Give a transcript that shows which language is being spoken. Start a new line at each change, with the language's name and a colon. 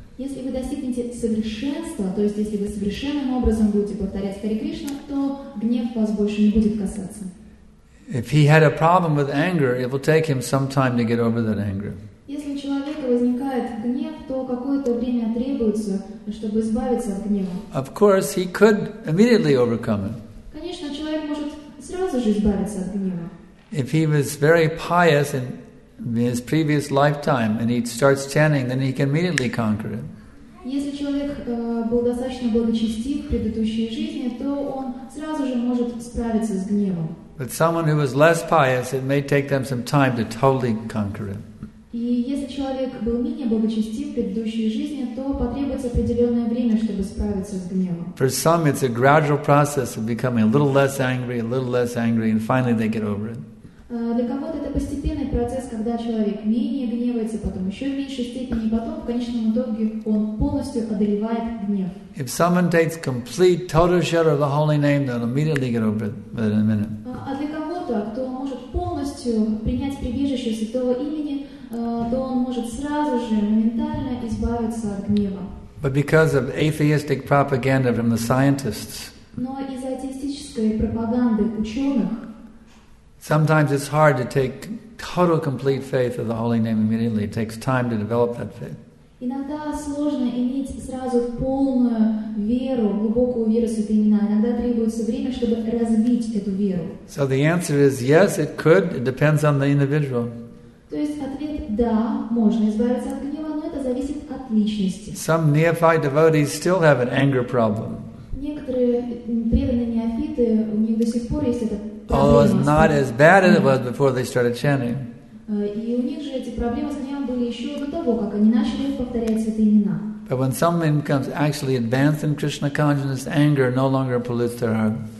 Russian: Если вы достигнете совершенства, то есть если вы совершенным образом будете повторять Харе Кришна, то гнев вас больше не будет касаться.
English: If he had a problem with anger, it will take him some time to get over that anger.
Russian: Если у человека возникает гнев, то какое-то время требуется, чтобы избавиться от гнева.
English: Of course, he could immediately overcome it.
Russian: Конечно, человек может сразу же избавиться от гнева.
English: If he was very pious and in his previous lifetime, and he starts chanting, then he can immediately conquer it.
Russian: Если человек был достаточно благочестив в предыдущей жизни, то он сразу же может справиться с гневом.
English: But someone who is less pious, it may take them some time to totally conquer it.
Russian: И если человек был менее благочестив в предыдущей жизни, то потребуется определенное время, чтобы справиться с гневом.
English: For some, it's a gradual process of becoming a little less angry, and finally they get over it.
Russian: Для кого-то это постепенный процесс, когда человек менее гневается, потом еще в меньшей степени, и потом в конечном итоге он полностью одолевает гнев.
English: If someone takes complete total shelter of the holy name, they'll immediately get over it within a minute.
Russian: А для кого-то, кто может полностью принять прибежище святого имени, то он может сразу же моментально избавиться от гнева.
English: But because of atheistic propaganda from the scientists.
Russian: Но из-за атеистической пропаганды ученых.
English: Sometimes it's hard to take total, complete faith of the Holy Name immediately. It takes time to develop that faith.
Russian: Иногда сложно иметь сразу полную веру, глубокую веру святые имена. Иногда требуется время, чтобы развить эту веру.
English: So the answer is yes, it could. It depends on the individual.
Russian: То есть ответ да, можно избавиться от гнева, но это зависит от личности.
English: Some neophyte devotees still have an anger problem.
Russian: Некоторые преданные неофиты, у них до сих пор есть этот.
English: Although it's not as bad as it was before they started chanting. But when someone becomes actually advanced in Krishna consciousness, anger no longer pollutes their heart.